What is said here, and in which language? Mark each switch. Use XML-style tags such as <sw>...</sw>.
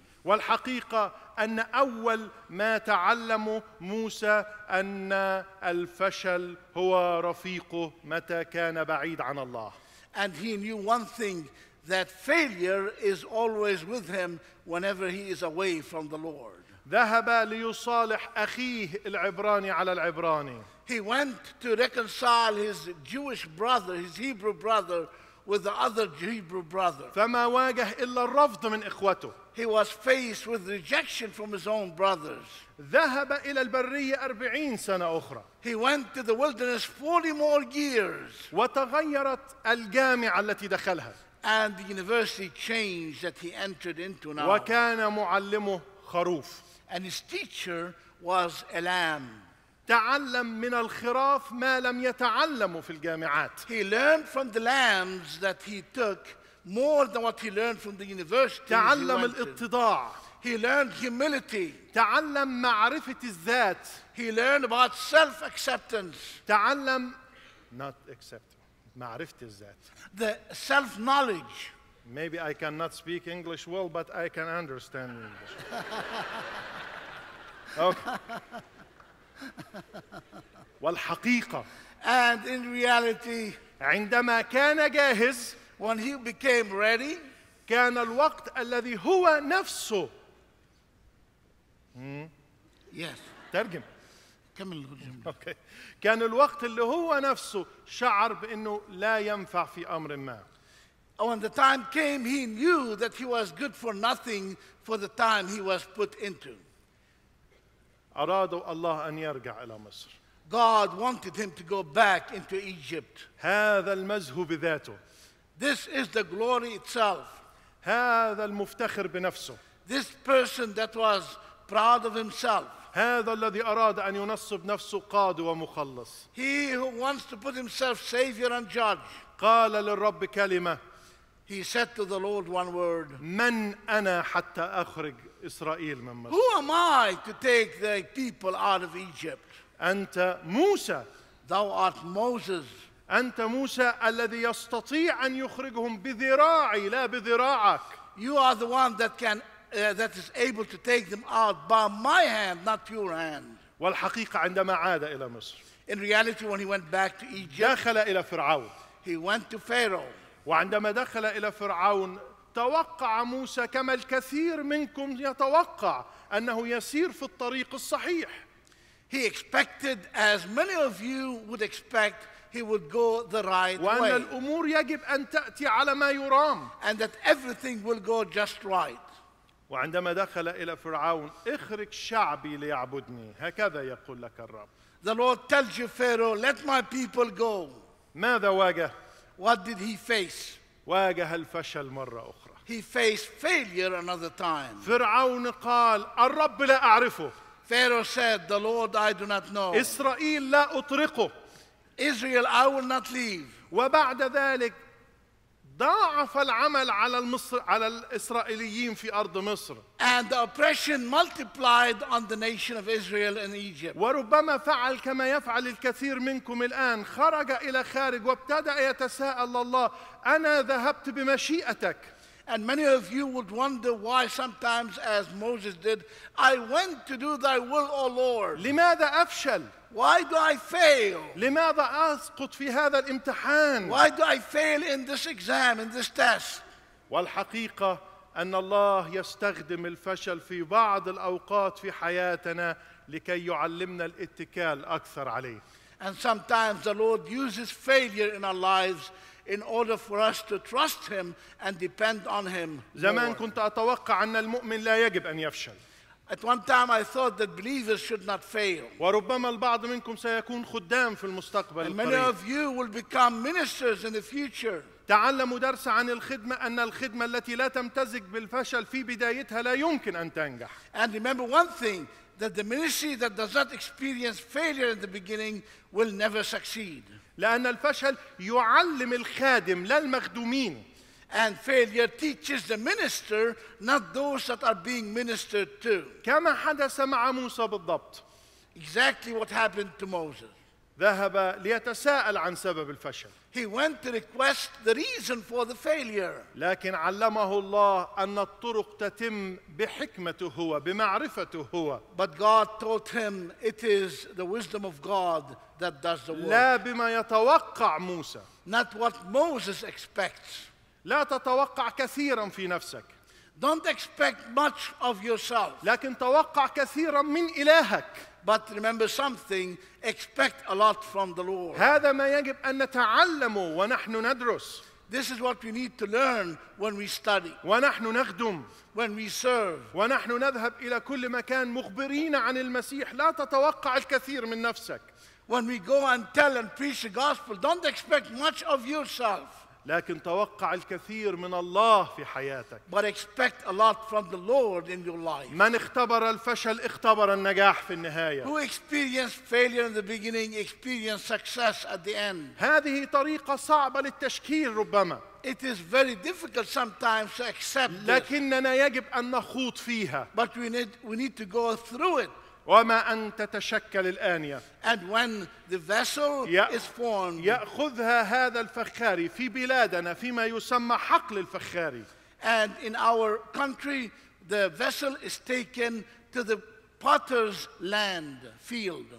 <ar>والحقيقة أن أول ما تعلم موسى أن الفشل هو رفيقه متى كان بعيد عن الله.</ar> <en>And he knew one thing, that failure is always with him whenever he is away from the Lord.</en> <ar>ذهب ليصالح أخيه العبراني على العبراني.</ar> <en>He went to reconcile his Jewish brother, his Hebrew brother, with the other Hebrew brother.</en> <ar>فما واجه إلا الرفض من إخوته.</ar> <en>He was faced with rejection from his own brothers.</en> <ar>ذهب إلى البرية 40 سنة أخرى.</ar> <en>He went to the wilderness 40 more years.</en> <ar>وتغيرت الجامعة التي دخلها.</ar> <en>And the university changed that he entered into now.</en> <ar>وكان معلمه خروف.</ar> <en>And his teacher was a lamb.</en> <ar>تعلم من الخراف ما لم يتعلموا في الجامعات.</ar> <en>He learned from the lambs that he took more than what he learned from the university.</en> <ar>تعلم الاتضاع.</ar> <en>He learned humility.</en> <ar>تعلم معرفة الذات.</ar> <en>He learned about self-acceptance.</en> <ar>تعلم</ar> <en>not acceptance.</en> <ar>معرفة الذات.</ar> <en>The self-knowledge. Maybe I cannot speak English well, but I can understand English. Okay.</en> <ar>والحقيقة</ar> <en>and in reality</en> <ar>عندما كان جاهز</ar> <en>when he became ready</en> <ar>كان الوقت الذي هو نفسه</ar> <en>yes</en> <ar>ترجم كمل الجملة</ar> <en>okay.</en> <ar>كان الوقت اللي هو نفسه شعر بأنه لا ينفع في أمر ما</ar> <en>when the time came he knew that he was good for nothing for the time he was put into</en> <ar>أرادوا الله أن يرجع إلى مصر.</ar> <en>God wanted him to go back into Egypt.</en> <ar>هذا المزه بذاته.</ar> <en>This is the glory itself.</en> <ar>هذا المفتخر بنفسه.</ar> <en>This person that was proud of himself.</en> <ar>هذا الذي أراد أن ينصب نفسه قاد ومخلص.</ar> <en>He who wants to put himself savior and judge.</en> <ar>قال للرب كلمة.</ar> <en>He said to the Lord one word.</en> <ar>من أنا حتى أخرج إسرائيل من مصر.</ar> <en>Who am I to take the people out of Egypt?</en> <ar>أنت موسى.</ar> <en>Thou art Moses.</en> <ar>أنت موسى الذي يستطيع أن يخرجهم بذراعي لا بذراعك.</ar> <en>You are the one that can that is able to take them out by my hand, not your hand.</en> <ar>والحقيقة عندما عاد إلى مصر.</ar> <en>In reality, when he went back to Egypt.</en> <ar>دخل إلى فرعون.</ar> <en>He went to Pharaoh.</en> <ar>وعندما دخل إلى فرعون توقع موسى كما الكثير منكم يتوقع أنه يسير في الطريق الصحيح.</ar> <en>He expected, as many of you would expect, he would go the right way.</en> <ar>وأن الأمور يجب أن تأتي على ما يرام.</ar> <en>And that everything will go just right.</en> <ar>وعندما دخل إلى فرعون اخرج شعبي ليعبدني هكذا يقول لك الرب.</ar> <en>The Lord tells you, Pharaoh, let my people go.</en> <ar>ماذا واجه؟</ar> <en>What did he face?</en> <ar>واجه الفشل مرة أخرى.</ar> <en>He faced failure another time.</en> <ar>فرعون قال الرب لا أعرفه.</ar> <en>Pharaoh said, "The Lord, I do not know."</en> <ar>إسرائيل لا أطرقه.</ar> <en>Israel, I will not leave.</en> <ar>وبعد ذلك ضاعف العمل على المصر على الإسرائيليين في أرض مصر.</ar> <en>And the oppression multiplied on the nation of Israel in Egypt.</en> <ar>وربما فعل كما يفعل الكثير منكم الآن خرج إلى خارج وابتدأ يتساءل الله أنا ذهبت بمشيئتك.</ar> <en>And many of you would wonder why sometimes, as Moses did, I went to do thy will, O Lord.</en> <ar>لماذا أفشل؟</ar> <en>Why do I fail?</en> <ar>لماذا أسقط في هذا الامتحان؟</ar> <en>Why do I fail in this exam, in this test?</en> <ar>والحقيقة أن الله يستخدم الفشل في بعض الأوقات في حياتنا لكي يعلمنا الاتكال أكثر عليه.</ar> <en>And sometimes the Lord uses failure in our lives in order for us to trust Him and depend on Him.</en> <ar>زمان كنت أتوقع أن المؤمن لا يجب أن يفشل.</ar> <en>At one time I thought that believers should not fail.</en> <ar>وربما البعض منكم سيكون خدام في المستقبل القريب.</ar> <en>And many of you will become ministers in the future.</en> <ar>تعلموا درس عن الخدمة أن الخدمة التي لا تمتزج بالفشل في بدايتها لا يمكن أن تنجح.</ar> <en>And remember one thing, that the ministry that does not experience failure in the beginning will never succeed.</en> <ar>لأن الفشل يعلم الخادم لا المخدومين.</ar> <en>And failure teaches the minister, not those that are being ministered to.</en> <ar>كما حدث مع موسى بالضبط.</ar> <en>Exactly what happened to Moses.</en> <ar>ذهب ليتساءل عن سبب الفشل.</ar> <en>He went to request the reason for the failure.</en> <ar>لكن علمه الله أن الطرق تتم بحكمته هو بمعرفته هو.</ar> <en>But God taught him it is the wisdom of God that does the work.</en> <ar>لا بما يتوقع موسى.</ar> <en>Not what Moses expects.</en> <ar>لا تتوقع كثيرا في نفسك.</ar> <en>Don't expect much of yourself.</en> <ar>لكن توقع كثيرا من إلهك.</ar> <en>But remember something, expect a lot from the Lord.</en> <ar>هذا ما يجب أن نتعلمه ونحن ندرس.</ar> <en>This is what we need to learn when we study.</en> <ar>ونحن نخدم.</ar> <en>When we serve.</en> <ar>ونحن نذهب إلى كل مكان مخبرين عن المسيح. لا تتوقع الكثير من نفسك.</ar> <en>When we go and tell and preach the gospel, don't expect much of yourself.</en> <ar>لكن توقع الكثير من الله في حياتك.</ar> <en>But expect a lot from the Lord in your life.</en> <ar>من اختبر الفشل اختبر النجاح في النهاية.</ar> <en>Who experienced failure in the beginning experienced success at the end.</en> <ar>هذه طريقة صعبة للتشكيل ربما.</ar> <en>It is very difficult sometimes to accept.</en> <ar>لكننا يجب أن نخوض فيها.</ar> <en>But we need to go through it.</en> <ar>وما أن تتشكل الآنية.</ar> <en>And when the vessel is formed,</en> <ar>يأخذها هذا الفخاري في بلادنا فيما يسمى حقل الفخاري.</ar> <en>And in our country, the vessel is taken to the potter's land field.</en>